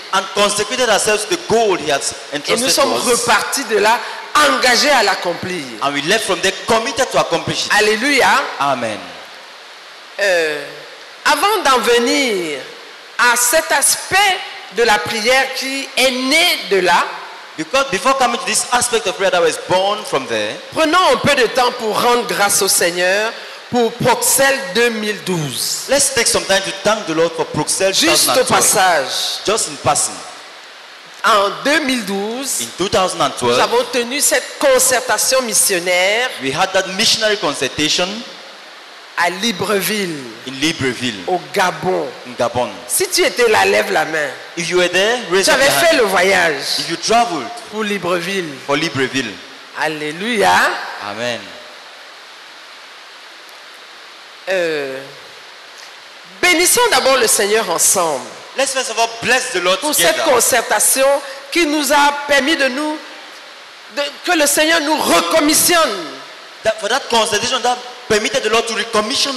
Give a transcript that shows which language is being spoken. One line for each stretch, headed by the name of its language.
English: And consecrated ourselves to the goal he has entrusted us.
French: Et nous sommes repartis de là. Engagé à l'accomplir.
English: And we left from there committed to accomplish it.
French: Alléluia.
English: Amen.
French: Avant d'en venir à cet aspect de la prière qui est né de là,
English: before coming to this aspect of prayer that was born from there,
French: prenons un peu de temps pour rendre grâce au Seigneur pour Bruxelles 2012.
English: Let's take some time to thank the Lord for Bruxelles 2012.
French: Juste au passage.
English: Just in passing.
French: En 2012,
English: in 2012,
French: nous avons tenu cette concertation missionnaire.
English: We had that missionary consultation
French: à Libreville.
English: In Libreville.
French: Au Gabon.
English: In Gabon.
French: Si tu étais là, lève la main.
English: If you were there, raise your hand.
French: Tu avais fait le voyage.
English: If you traveled
French: pour Libreville.
English: For Libreville.
French: Alléluia.
English: Amen.
French: Bénissons d'abord le Seigneur ensemble.
English: Let's first of all bless the Lord
French: pour
English: together.
French: Cette concertation qui nous a permis de nous de, que le Seigneur nous recommissionne.
English: That, for that concertation that permitted the Lord to recommission